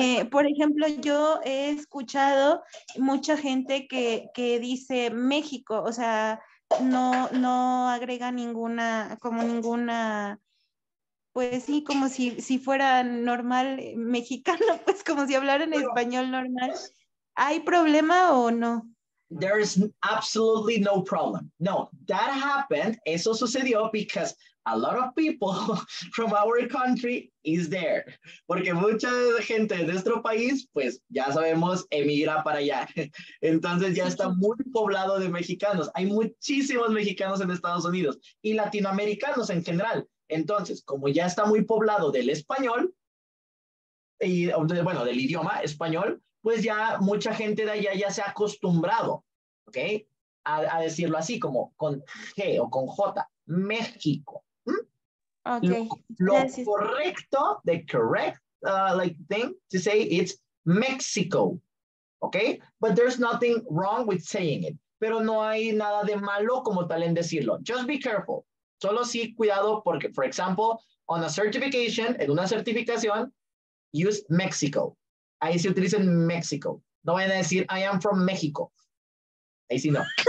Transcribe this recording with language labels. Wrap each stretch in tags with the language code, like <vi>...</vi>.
<es>Por ejemplo, yo he escuchado mucha gente que dice México, o sea, no agrega ninguna, como ninguna, pues sí, como si fuera normal mexicano, pues como si hablaran en español normal. ¿Hay problema o no?</es> <en>There is absolutely no problem. No, that happened,</en> <es>eso sucedió</es> <en>because a lot of people from our country is there.</en> <es>Porque mucha gente de nuestro país, pues ya sabemos, emigra para allá. Entonces ya está muy poblado de mexicanos. Hay muchísimos mexicanos en Estados Unidos y latinoamericanos en general. Entonces, como ya está muy poblado del español, y bueno, del idioma español, pues ya mucha gente de allá ya se ha acostumbrado, ¿ok? A decirlo así, como con G o con J, México.</es> <en>Okay.</en> <es>Lo correcto,</es> <en>the correct thing to say, it's Mexico. Okay? But there's nothing wrong with saying it.</en> <es>Pero no hay nada de malo como tal en decirlo.</es> <en>Just be careful.</en> <es>Solo sí, cuidado, porque,</es> <en>for example, on a certification,</en> <es>en una certificación,</es> <en>use Mexico.</en> <es>Ahí sí utilizan Mexico. No vayan a decir,</es> <en>I am from Mexico.</en> <es>Ahí sí no.</es>